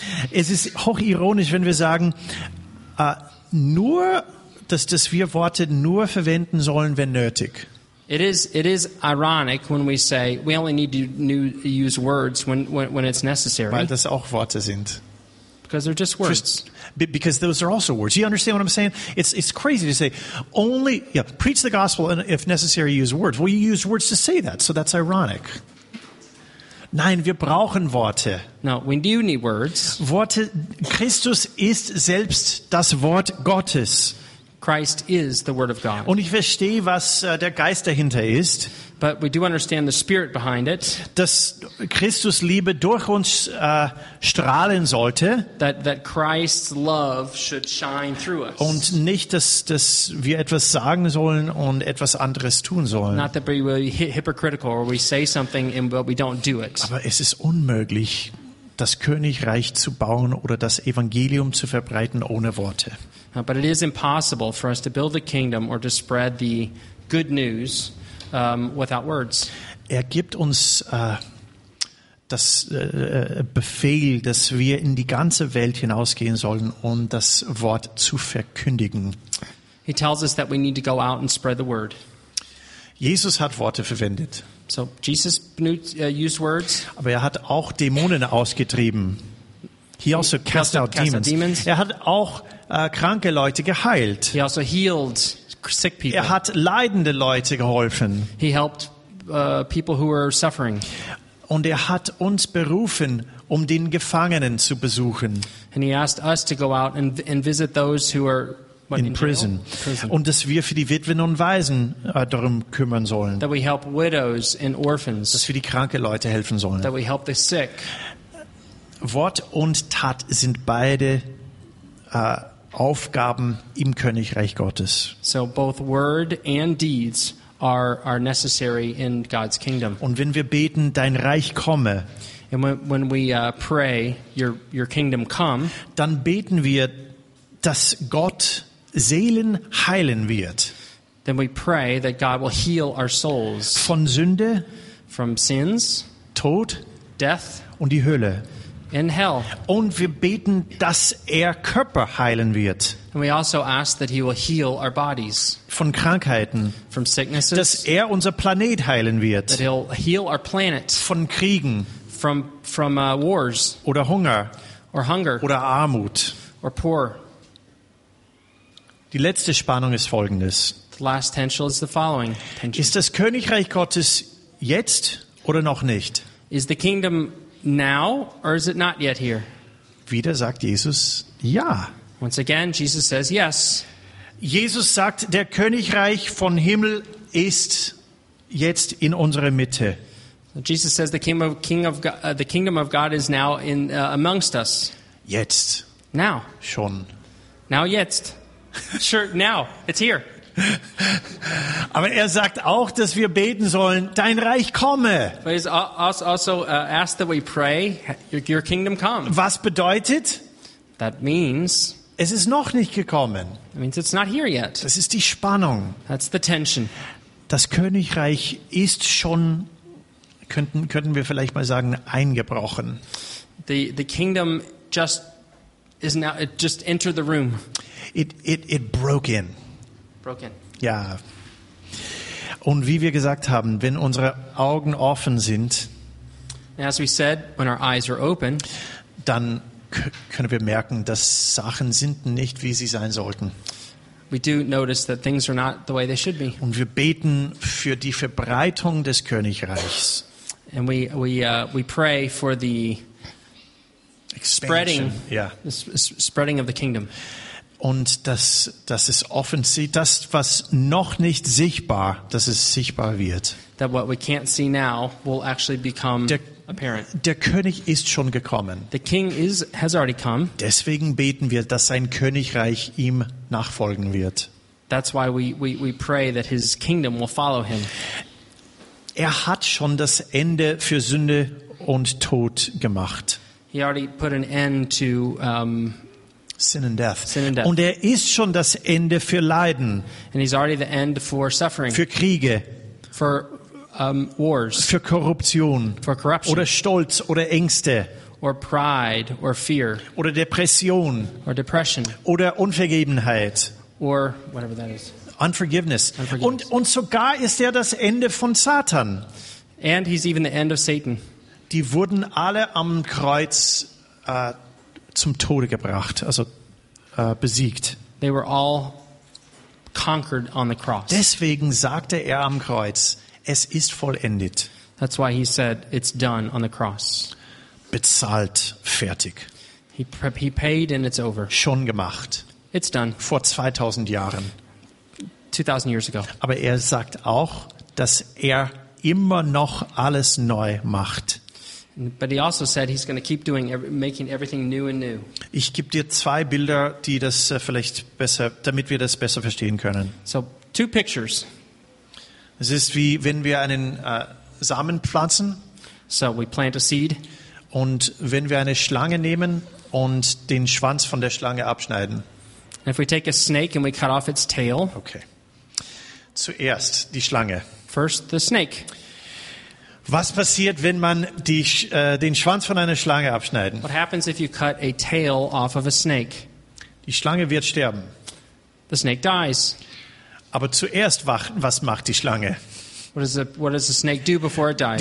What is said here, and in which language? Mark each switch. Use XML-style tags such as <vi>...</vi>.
<de>Es ist hochironisch, wenn wir sagen, nur, dass wir Worte nur verwenden sollen, wenn nötig.</de> <en>It is ironic when we say we only need to use words when it's necessary.</en> <de>Weil das auch Worte sind.</de> <en>Because they're just words. Because those are also words. You understand what I'm saying? It's crazy to say only, yeah, preach the gospel and if necessary use words. Well, you use words to say that, so that's ironic.</en> <de>Nein, wir brauchen Worte.</de> <en>No, we do need words.</en> <de>Worte, Christus ist selbst das Wort Gottes.</de> <en>Christ is the word of God.</en> <de>Und ich verstehe, was der Geist dahinter ist.</de> <en>But we do understand the spirit behind it.</en> <de>Dass Christus Liebe durch uns strahlen sollte.</de> <en>That Christ's love should shine through us.</en> <de>Und nicht, dass wir etwas sagen sollen und etwas anderes tun sollen.</de> <en>Not that we will be hypocritical or we say something and but we don't do it.</en> <de>Aber es ist unmöglich, das Königreich zu bauen oder das Evangelium zu verbreiten ohne Worte.</de> <en>But it is impossible for us to build the kingdom or to spread the good news without words.</en> <de>Er gibt uns das Befehl, dass wir in die ganze Welt hinausgehen sollen, um das Wort zu verkündigen.</de> <en>He tells us that we need to go out and spread the word.</en> <de>Jesus hat Worte verwendet.</de> <en>So Jesus used words.</en> <de>Aber er hat auch Dämonen ausgetrieben.</de> <en>He also cast out demons.</en> <de>Er hat auch kranke Leute geheilt.</de> <en>He also healed sick people.</en> <de>Er hat leidende Leute geholfen.</de> <en>He helped people who were suffering.</en> <de>Und er hat uns berufen, um den Gefangenen zu besuchen.</de> <en>And he asked us to go out and visit those who are in prison.</en> <de>Und dass wir für die Witwen und Waisen darum kümmern sollen.</de> <en>That we help widows and orphans.</en> <de>Dass wir die kranke Leute helfen sollen.</de> <en>That we help the sick.</en> <de>Wort und Tat sind beide Aufgaben im Königreich Gottes.</de> <en>So both word and deeds are necessary in God's kingdom.</en> <de>Und wenn wir beten, dein Reich komme,</de> <en>and when we pray, your kingdom come,</en> <de>dann beten wir, dass Gott Seelen heilen wird.</de> <en>Then we pray that God will heal our souls</en> <de>von Sünde,</de> <en>from sins,</en> <de>Tod,</de> <en>death</en> <de>und die Hölle.</de> <en>In hell.</en> <de>Und wir beten, dass er Körper heilen wird.</de> <en>And we also ask that he will heal our bodies.</en> <de>Von Krankheiten.</de> <en>From sicknesses.</en> <de>Dass er unser Planet heilen wird.</de> <en>That he'll heal our planet.</en> <de>Von Kriegen.</de> <en>From wars.</en> <de>Oder Hunger.</de> <en>Or hunger.</en> <de>Oder Armut.</de> <en>Or poor.</en> <de>Die letzte Spannung ist folgendes.</de> <en>The last tension is the following.</en> <de>Ist das Königreich Gottes jetzt oder noch nicht?</de> <en>Is the kingdom now or is it not yet here?</en> <de>Wieder sagt Jesus ja.</de> <en>Once again Jesus says yes.</en> <de>Jesus sagt, der Königreich von Himmel ist jetzt in unserer Mitte.</de> <en>Jesus says the kingdom of God is now in amongst us.</en> <de>Jetzt.</de> <en>Now.</en> <de>Schon.</de> <en>Now jetzt. Sure, now. It's here.</en> <de>Aber er sagt auch, dass wir beten sollen, dein Reich komme.</de> <en>But he's also asked that we pray, your kingdom come.</en> <de>Was bedeutet?</de> <en>That means,</en> <de>es ist noch nicht gekommen.</de> <en>It means it's not here yet.</en> <de>Das ist die Spannung.</de> <en>That's the tension.</en> <de>Das Königreich ist schon, könnten wir vielleicht mal sagen, eingebrochen.</de> <en>The kingdom just is now, it just entered the room. It broke in. Broken.</en> <de>Ja. Und wie wir gesagt haben, wenn unsere Augen offen sind,</de> <en>as we said, when our eyes are open,</en> <de>dann können wir merken, dass Sachen sind nicht, wie sie sein sollten.</de> <en>We do notice that things are not the way they should be.</en> <de>Und wir beten für die Verbreitung des Königreichs.</de> <en>And we pray for the spreading, yeah. Spreading of the kingdom.</en> <de>Und das ist offensichtlich, das, was noch nicht sichtbar, dass es sichtbar wird.</de> <en>That what we can't see now will actually become apparent.</en> <de>Der König ist schon gekommen.</de> <en>The king has already come.</en> <de>Deswegen beten wir, dass sein Königreich ihm nachfolgen wird.</de> <en>That's why we pray that his kingdom will follow him.</en> <de>Er hat schon das Ende für Sünde und Tod gemacht.</de> <en>He already put an end to sin and death. Sin and death.</en> <de>Und er ist schon das Ende für Leiden.</de> <en>And he's already the end for suffering.</en> <de>Für Kriege.</de> <en>For wars.</en> <de>Für Korruption.</de> <en>For corruption.</en> <de>Oder Stolz oder Ängste.</de> <en>Or pride or fear.</en> <de>Oder Depression.</de> <en>Or depression.</en> <de>Oder Unvergebenheit.</de> <en>Or whatever that is. Unforgiveness. Unforgiveness.</en> <de>Und sogar ist er das Ende von Satan.</de> <en>And he's even the end of Satan.</en> <de>Die wurden alle am Kreuz zum Tode gebracht, also besiegt.</de> <en>They were all conquered on the cross.</en> <de>Deswegen sagte er am Kreuz, es ist vollendet.</de> <en>That's why he said, it's done on the cross.</en> <de>Bezahlt, fertig.</de> <en>He paid and it's over.</en> <de>Schon gemacht.</de> <en>It's done.</en> <de>Vor 2000 Jahren.</de> <en>2000 years ago.</en> <de>Aber er sagt auch, dass er immer noch alles neu macht.</de> <en>But he also said he's going to keep doing making everything new and new.</en> <de>Ich gebe dir zwei Bilder, die das vielleicht besser, damit wir das besser verstehen können.</de> <en>So two pictures.</en> <de>Es ist wie wenn wir einen Samen pflanzen.</de> <en>So we plant a seed.</en> <de>Und wenn wir eine Schlange nehmen und den Schwanz von der Schlange abschneiden.</de> <en>And if we take a snake and we cut off its tail.</en> <de>Okay. Zuerst die Schlange.</de> <en>First the snake.</en> <de>Was passiert, wenn man den Schwanz von einer Schlange abschneiden?</de> <en>What happens if you cut a tail off of a snake?</en> <de>Die Schlange wird sterben.</de> <en>The snake dies.</en> <de>Aber zuerst was macht die Schlange?</de> <en>What does the snake do before it dies?</en>